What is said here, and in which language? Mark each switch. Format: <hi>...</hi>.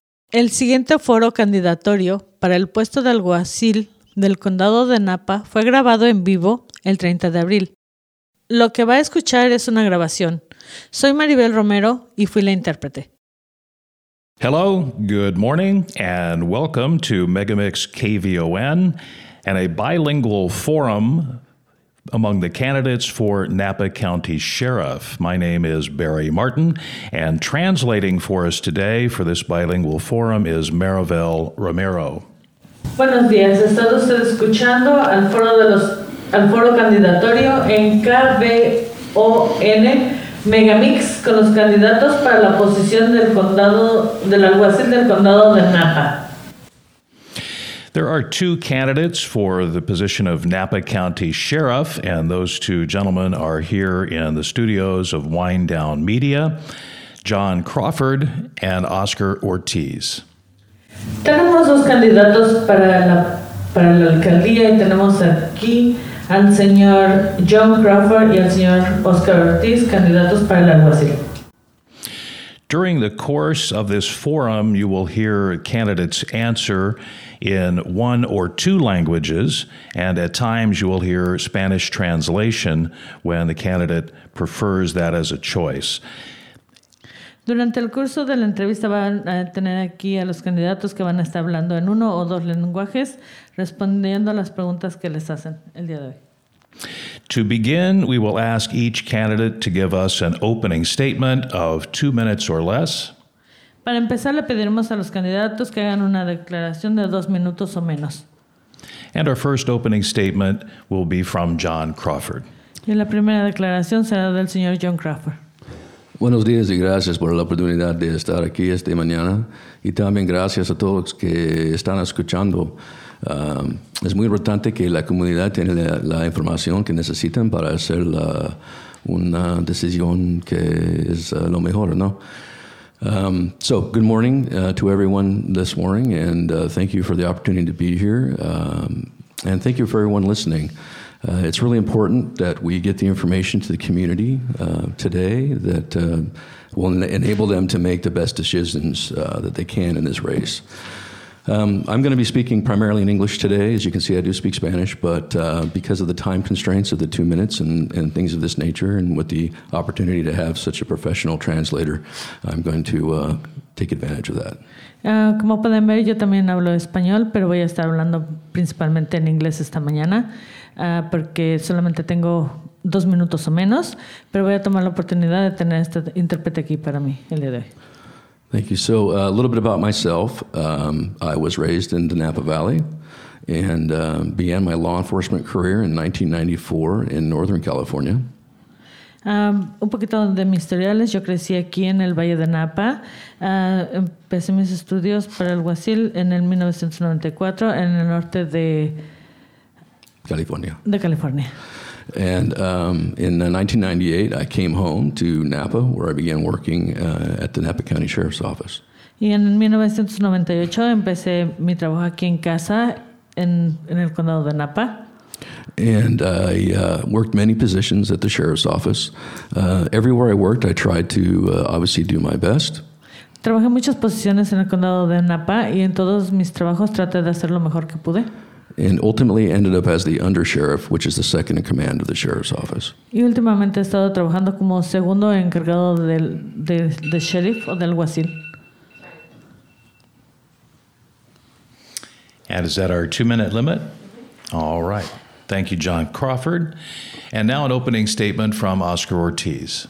<es>El siguiente foro candidatorio para el puesto de alguacil del condado de Napa fue grabado en vivo el 30 de abril. Lo que va a escuchar es una grabación. Soy Maribel Romero y fui la intérprete.</es> <en>Hello, good morning, and welcome to Megamix KVON and a bilingual forum among the candidates for Napa County Sheriff. My name is Barry Martin, and translating for us today for this bilingual forum is Maribel Romero.</en> <es>Buenos días. ¿Está usted escuchando al foro de los al foro candidatorio en KVON Megamix con los candidatos para la posición del condado del alguacil del condado de Napa?</es> <en>There are two candidates for the position of Napa County Sheriff, and those two gentlemen are here in the studios of Wind Down Media, John Crawford and Oscar Ortiz.</en> <es>Tenemos dos candidatos para la alcaldía, y tenemos aquí al señor John Crawford y al señor Oscar Ortiz, candidatos para el alguacil.</es> <en>During the course of this forum, you will hear candidates answer in one or two languages, and at times you will hear Spanish translation when the candidate prefers that as a choice.</en> <es>Durante el curso de la entrevista van a tener aquí a los candidatos que van a estar hablando en uno o dos lenguajes, respondiendo a las preguntas que les hacen el día de hoy.</es> <en>To begin, we will ask each candidate to give us an opening statement of 2 minutes or less.</en> <es>Para empezar, le pediremos a los candidatos que hagan una declaración de 2 minutos o menos.</es> <en>And our first opening statement will be from John Crawford.</en> <es>Y la primera declaración será del señor John Crawford. Buenos días y gracias por la oportunidad de estar aquí esta mañana. Y también gracias a todos los que están escuchando. Es muy importante que la comunidad tenga la información que necesitan para hacer una decisión que es lo mejor, ¿no?</es> <en>So, good morning to everyone this morning, and thank you for the opportunity to be here, and thank you for everyone listening. It's really important that we get the information to the community today that will enable them to make the best decisions that they can in this race. I'm going to be speaking primarily in English today. As you can see, I do speak Spanish, but because of the time constraints of the 2 minutes and things of this nature, and with the opportunity to have such a professional translator, I'm going to take advantage of that. Como pueden ver, yo también hablo español, pero voy a estar hablando principalmente en inglés esta mañana, porque solamente tengo 2 minutos o menos, pero voy a tomar la oportunidad de tener este intérprete aquí para mí el día de hoy. Thank you. So a little bit about myself. I was raised in the Napa Valley and began my law enforcement career in 1994 in Northern California.</en> <es>Un poquito de mis historiales. Yo crecí aquí en el Valle de Napa. Empecé mis estudios para el alguacil en el 1994 en el norte de California. De California.</es> <en>And in 1998, I came home to Napa, where I began working at the Napa County Sheriff's Office.</en> <es>Y en 1998 empecé mi trabajo aquí en casa en el condado de Napa.</es> <en>And I worked many positions at the sheriff's office. Everywhere I worked, I tried to obviously do my best.</en> <es>Trabajé muchas posiciones en el condado de Napa, y en todos mis trabajos traté de hacer lo mejor que pude.</es> <en>And ultimately ended up as the undersheriff, which is the second in command of the sheriff's office.</en> <es>Y últimamente he estado trabajando como segundo encargado del sheriff o del alguacil.</es> <en>And is that our 2 minute limit? All right. Thank you, John Crawford. And now an opening statement from Oscar Ortiz.</en>